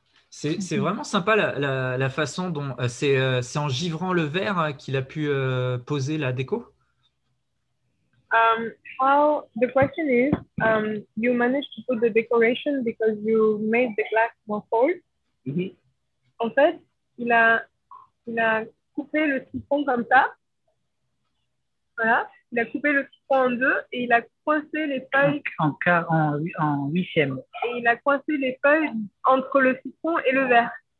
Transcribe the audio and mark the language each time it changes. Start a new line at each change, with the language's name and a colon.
French: C'est vraiment sympa la façon dont c'est en givrant le verre qu'il a pu poser la déco.
English: Well, the question is, you managed to put the decoration because you made the glass more full. Mm-hmm.
French: En fait, il a coupé le citron comme ça. Voilà. Il a coupé le citron en deux et il a coincé les feuilles en huitième. Et il a coincé les feuilles entre le citron et le verre.